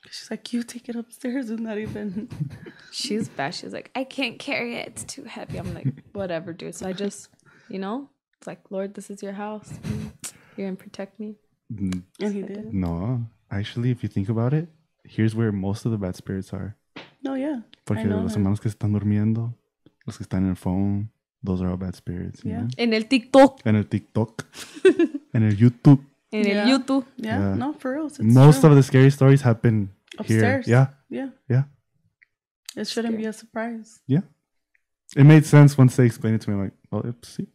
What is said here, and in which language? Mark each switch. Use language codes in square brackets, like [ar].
[en] She's like, you take it upstairs and not even. She's bad. She's like, I can't carry it. It's too heavy. I'm like, whatever, dude. So I just, you know, it's like, Lord, this is your house. You're going to protect me. And he did. No. Actually, if you think about it, here's where most of the bad spirits are. No, yeah. [es] Porque los hermanos que están durmiendo, los que están en el phone. [en] Those are all bad spirits. Yeah. [es] En el TikTok. En el TikTok. En el YouTube. En el YouTube. [en] Yeah. No, for real. Most of the scary stories happen upstairs. Here. Yeah. Yeah. It shouldn't be a surprise. Yeah. It made sense once they explained it to me. I'm like, oh, oopsie.